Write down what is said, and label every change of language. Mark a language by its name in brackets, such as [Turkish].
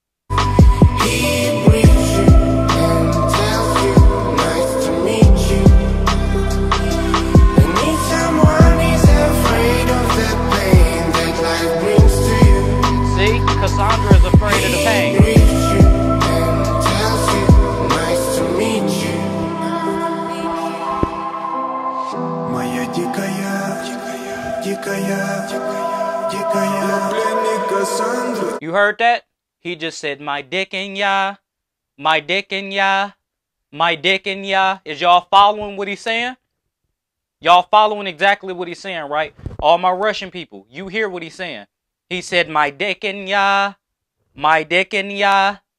[English] He breathes you and tells you, nice to meet you. And each time one is afraid of the pain that life brings. Kosandra is afraid of the pain. He greets you and tells you, nice to meet you. [Russian] Моя дикая, дикая, дикая, дикая Кассандра. [English] You heard that? He just said, my dick and ya, my dick and ya, my dick and ya. Is y'all following what he's saying? Y'all following exactly what he's saying, right? All my Russian people, you hear what he's saying. He said, my dick and ya, my dick and ya.